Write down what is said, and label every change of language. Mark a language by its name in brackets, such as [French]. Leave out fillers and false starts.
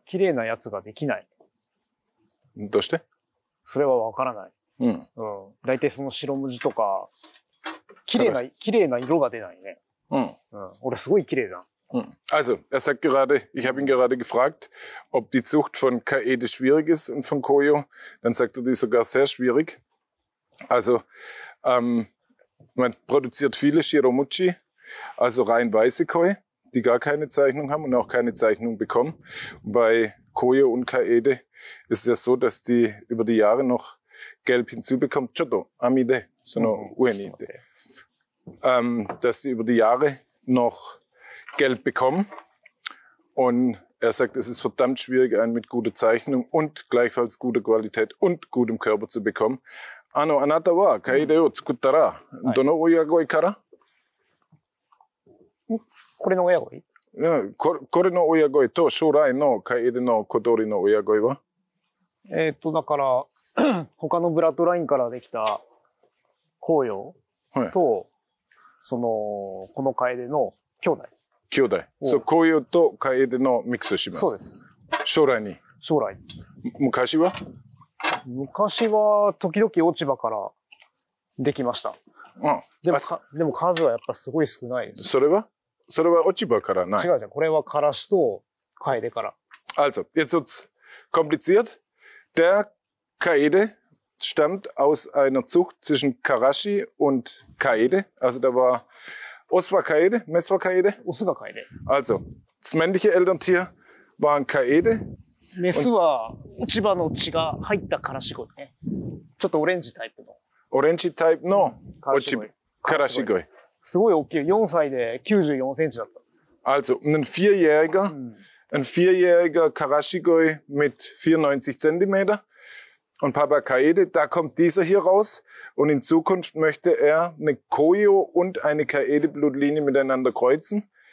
[Japanese] 綺麗なやつができない。どうして？それはわからない。うん。うん。大体その白文字とか、綺麗な色が出ないね。うん。うん、俺すごい綺麗じゃん。 [German] Also, er sagt gerade, ich habe ihn gerade gefragt, ob die Zucht von Kaede schwierig ist und von Koyo. Dann sagt er, die ist sogar sehr schwierig. Also, man produziert viele Shiromuchi, also rein weiße Koi, die gar keine Zeichnung haben und auch keine Zeichnung bekommen. Und bei Koyo und Kaede ist es ja so, dass die über die Jahre noch gelb hinzubekommt. [Japanese] Choto, amide, sono uenide. [German] Dass die über die Jahre noch gelb bekommen. Und er sagt, es ist verdammt schwierig, einen mit guter Zeichnung und gleichfalls guter Qualität und gutem Körper zu bekommen. [Japanese] あなたは、カエデを作ったら、どの親鯉から、はい、これの親鯉、これの親鯉と将来のカエデの小鳥の親鯉はだから、他のブラッドラインからできた紅葉と、はい、その、このカエデの兄弟。兄弟。そう、紅葉とカエデのミックスをします。そうです。将来に。将来。昔は昔は時々落ち葉からできました。うん。でも数はやっぱすごい少ないです。それは落ち葉からない。違うじゃん。これはカラシとカエデから。 [German] Also, jetzt wird's kompliziert. Der Kaede stammt aus einer Zucht zwischen Karashi und Kaede. Also da war Oswa Kaede, Meswa Kaede. Osuga Kaede. Also, das männliche Elterntier waren Kaede. [Japanese] メスは落ち葉の血が入ったからし鯉ね。ちょっとオレンジタイプの。オレンジタイプの落ち葉。からし鯉。すごい大きい。4歳で94センチだった。 [German] Also, ein vierjähriger Karashi-Goi mit 94 Zentimeter. Und Papa Kaede, da kommt dieser hier raus. Und in Zukunft möchte er eine Koyo und eine Kaede-Blutlinie miteinander kreuzen.